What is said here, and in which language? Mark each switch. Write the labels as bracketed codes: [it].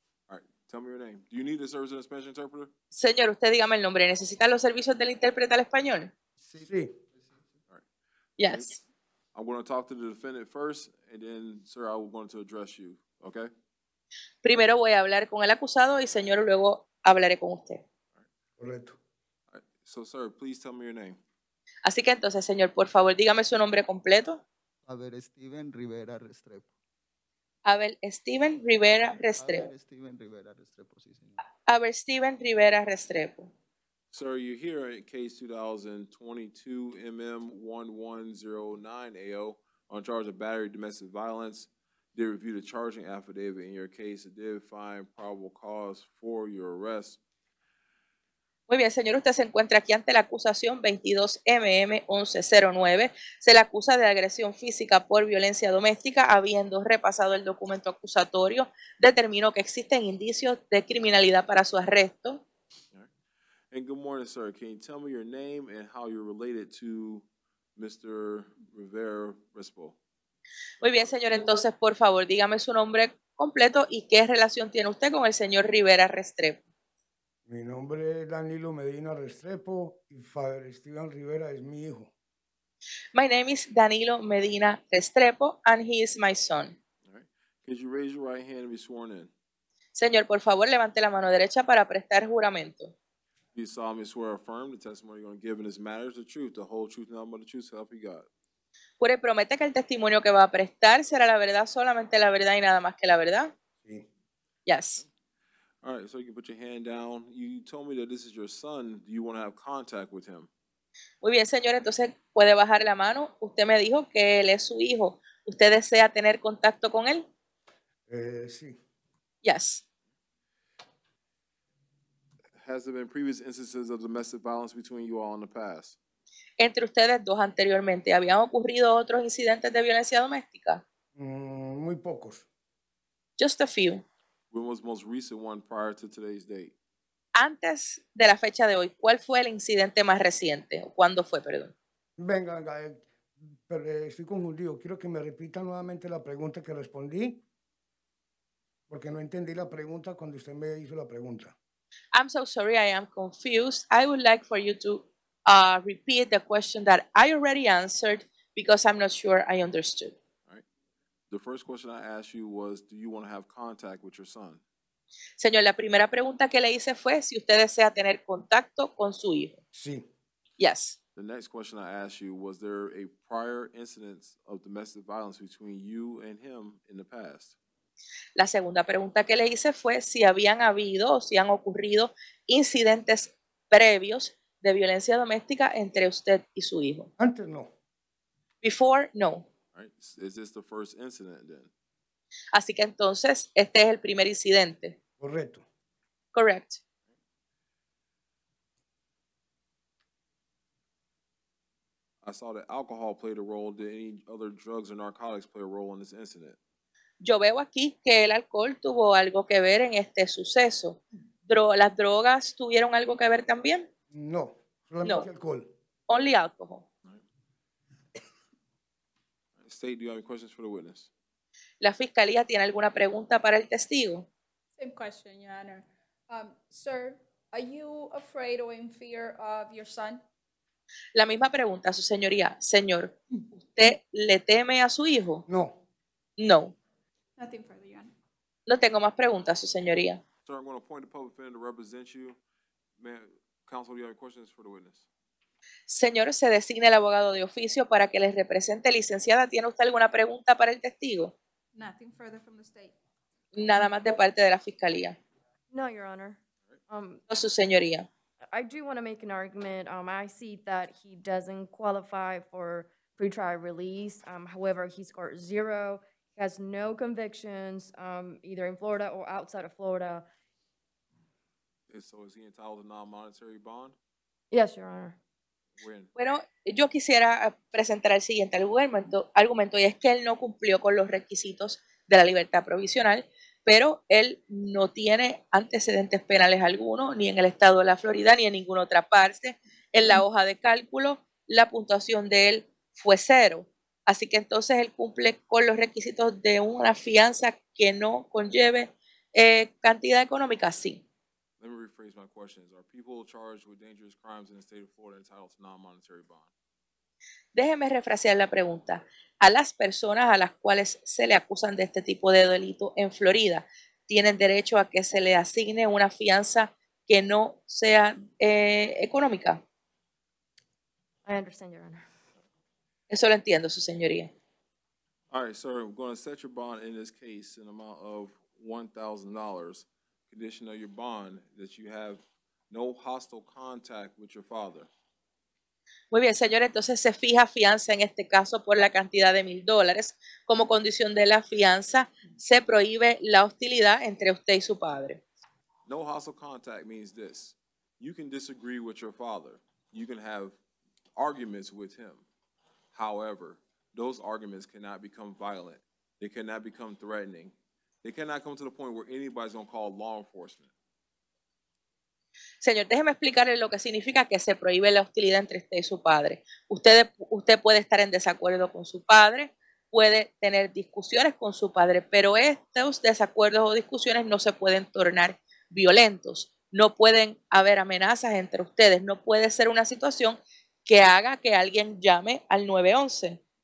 [en] All right. Tell me your name. Do you need the service of a Spanish interpreter? [es] Señor, usted dígame el nombre. ¿Necesita los servicios del intérprete al español? Sí. Sí. [en] All right. Yes. I'm going to talk to the defendant first, and then, sir, I'm going to address you, okay? [es] Primero voy a hablar con el acusado, y señor, luego hablaré con usted. Correcto. [en] So, sir, please tell me your name. [es] Así que entonces, señor, por favor, dígame su nombre completo. Abel Steven Rivera Restrepo. Abel Steven Rivera Restrepo. Abel Steven Rivera Restrepo, sí, señor. Abel Steven Rivera Restrepo. [en] Sir, you're here in case 2022-MM-1109-AO on charge of battery domestic violence. Did review the charging affidavit in your case. It did find probable cause for your arrest. [es] Muy bien, señor. Usted se encuentra aquí ante la acusación 22-MM-1109. Se le acusa de agresión física por violencia doméstica. Habiendo repasado el documento acusatorio, determinó que existen indicios de criminalidad para su arresto. [en] And good morning, sir. Can you tell me your name and how you're related to Mr. Rivera Restrepo? [es] Muy bien, señor. Entonces, por favor, dígame su nombre completo y qué relación tiene usted con el señor Rivera Restrepo. Mi nombre es Danilo Medina Restrepo y Father Steven Rivera es mi hijo. [en] My name is Danilo Medina Restrepo and he is my son. All right. Could you raise your right hand and be sworn in? [es] Señor, por favor, levante la mano derecha para prestar juramento. [en] You saw me swear affirm the testimony you're going to give in this matter is the truth, the whole truth, and nothing but the truth, help you God. [es] Jure, promete que el testimonio que va a prestar será la verdad, solamente la verdad y nada más que la verdad. Sí. [en] Yes. All right, so you can put your hand down. You told me that this is your son. Do you want to have contact with him? [es] Muy bien, señor. Entonces puede bajar la mano. Usted me dijo que él es su hijo. ¿Usted desea tener contacto con él? Sí. [en] Yes. Has there been previous instances of domestic violence between you all in the past? [es] Entre ustedes dos anteriormente, ¿habían ocurrido otros incidentes de violencia doméstica? Muy pocos. [en] Just a few. When was the most recent one prior to today's date? [es] Antes de la fecha de hoy, ¿cuál fue el incidente más reciente? ¿Cuándo fue, perdón? Venga, pero estoy confundido. Quiero que me repita nuevamente la pregunta que respondí, porque no entendí la pregunta cuando usted me hizo la pregunta. [en] I'm so sorry, I am confused. I would like for you to repeat the question that I already answered because I'm not sure I understood. All right. The first question I asked you was, do you want to have contact with your son? [es] Señor, la primera pregunta que le hice fue si usted desea tener contacto con su hijo. Sí. [en] Yes. The next question I asked you, was there a prior incidence of domestic violence between you and him in the past? [es] La segunda pregunta que le hice fue si habían habido o si han ocurrido incidentes previos de violencia doméstica entre usted y su hijo. Antes no. [en] Before, no. Right. Is this the first incident then? [es] Así que entonces, este es el primer incidente. Correcto. [en] Correct. I saw that alcohol played a role. Did any other drugs or narcotics play a role in this incident? [es] Yo veo aquí que el alcohol tuvo algo que ver en este suceso. ¿Las drogas tuvieron algo que ver también? No, solamente no. Alcohol. [en] Only alcohol. Right. State, do you have any questions for the witness? [es] ¿La fiscalía tiene alguna pregunta para el testigo? [en] Same question, Your Honor. Sir, are you afraid or in fear of your son? [es] La misma pregunta, su señoría. Señor, ¿usted le teme a su hijo? No. [en] No. Nothing further, Your Honor. [es] No tengo más preguntas, su señoría. [en] Sir, I'm going to appoint the public defender to represent you. Counsel, do you have any questions for the witness? [es] Señor, se designa el abogado de oficio para que les represente. Licenciada, ¿tiene usted alguna pregunta para el testigo? [en] Nothing further from the state. [es] Nada más de parte de la fiscalía. [en] No, Your Honor. [es] No, su señoría. [en] I do want to make an argument. I see that he doesn't qualify for pretrial release. However, he scored zero. Has no convictions, either in Florida or outside of Florida. So is he entitled to non-monetary bond? Yes, Your Honor. When? [es] Bueno, yo quisiera presentar el siguiente argumento, y es que él no cumplió con los requisitos de la libertad provisional, pero él no tiene antecedentes penales alguno, ni en el estado de la Florida, ni en ninguna otra parte. En la hoja de cálculo, la puntuación de él fue cero. Así que entonces él cumple con los requisitos de una fianza que no conlleve Cantidad económica, sí. [en] Let me rephrase my questions. Are people charged with dangerous crimes in the state of Florida entitled to non-monetary bond? [es] Déjeme refrasear la pregunta. A las personas a las cuales se le acusan de este tipo de delito en Florida, ¿tienen derecho a que se le asigne una fianza que no sea económica? [en] I understand, Your Honor. [es] Eso lo entiendo, su señoría. [en] All right, sir, we're going to set your bond in this case an amount of $1,000. Condition of your bond that you have no hostile contact with your father. [es] Muy bien, señor. Entonces se fija fianza en este caso por la cantidad de $1,000. Como condición de la fianza, se prohíbe la hostilidad entre usted y su padre. [en] No hostile contact means this. You can disagree with your father. You can have arguments with him. However, those arguments cannot become violent. They cannot become threatening. They cannot come to the point where anybody's going to call law enforcement. [es] Señor, déjeme explicarle lo que significa que se prohíbe la hostilidad entre usted y su padre. Usted puede estar en desacuerdo con su padre, puede tener discusiones con su padre, pero estos desacuerdos o discusiones no se pueden tornar violentos. No pueden haber amenazas entre ustedes. No puede ser una situación que haga que alguien llame al 911.